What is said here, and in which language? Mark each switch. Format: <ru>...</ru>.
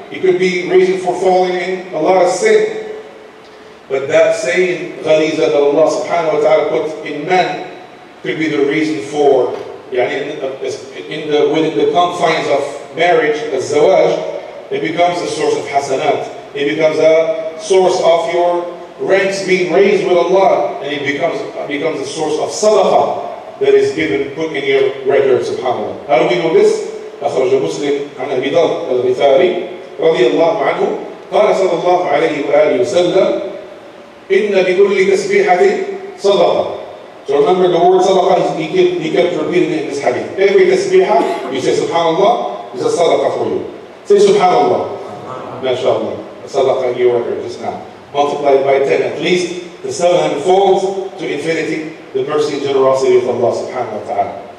<en>It could be reason for falling in a lot of sin. But that same ghariza that Allah subhanahu wa ta'ala put in men could be the reason for, yani, within the confines of marriage, as zawaj, it becomes a source of hasanat. It becomes a source of your ranks being raised with Allah, and it becomes a source of sadaqah that is given, put in your record, subhanAllah. How do we know this?</en> <ar>أخرج مسلم عن أبي ضر الغفاري رضي الله عنه قال صلى الله عليه وآله وسلم إن بكل تسبيحة صدقة.</ar> <en>So remember the word sadaqah, he kept repeating it in this hadith. Every tasbiha, you say subhanAllah, is a sadaqah for you. Say subhanAllah. MashaAllah. A sadaqah in your record just now. Multiplied by 10, at least the 700 folds to infinity, the mercy and generosity of Allah subhanahu wa ta'ala.</en>